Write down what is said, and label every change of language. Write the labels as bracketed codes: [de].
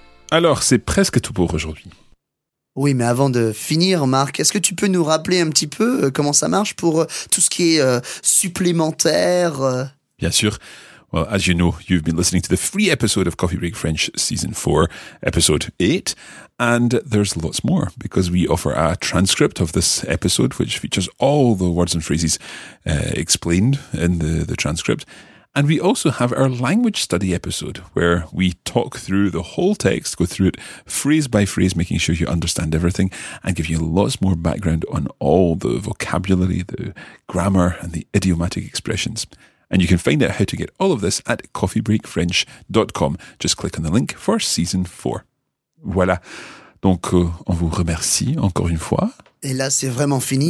[fr] Alors, c'est presque tout pour aujourd'hui. Oui, mais avant de finir, Marc, est-ce que tu peux nous rappeler un petit peu comment ça marche pour tout ce qui est supplémentaire? Bien sûr. [en] Well, as you know, you've been listening to the free episode of Coffee Break French Season 4, Episode 8, and there's lots more, because we offer a transcript of this episode, which features all the words and phrases explained in the transcript. And we also have our language study episode, where we talk through the whole text, go through it phrase by phrase, making sure you understand everything, and give you lots more background on all the vocabulary, the grammar, and the idiomatic expressions. And you can find out how to get all of this at coffeebreakfrench.com. Just click on the link for season 4. [fr] Voilà. Donc, on vous remercie encore une fois. Et là, c'est vraiment fini.